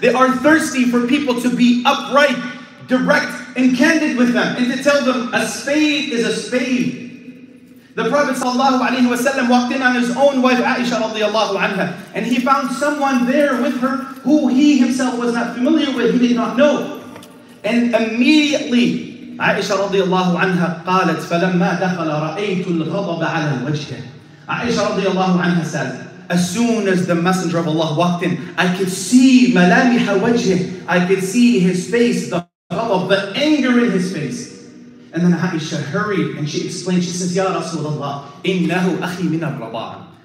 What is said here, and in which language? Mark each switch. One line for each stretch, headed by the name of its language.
English: They are thirsty for people to be upright, direct, and candid with them, and to tell them a spade is a spade. The Prophet sallallahu alaihi wasallam walked in on his own wife Aisha radiallahu anha, and he found someone there with her who he himself was not familiar with. He did not know, and immediately
Arabic: Aisha radiallahu anha قالت فلما دخل رأيت الغضب على وجهه.
English: Aisha radiallahu anha says, as soon as the Messenger of Allah walked in, I could see
Arabic: ملامح وجهه.
English: I could see his face, the ghadab, the anger in his face. And then Aisha hurried and she explained, she says, Ya Rasulullah,
Arabic: إنه أخي من الرضاع.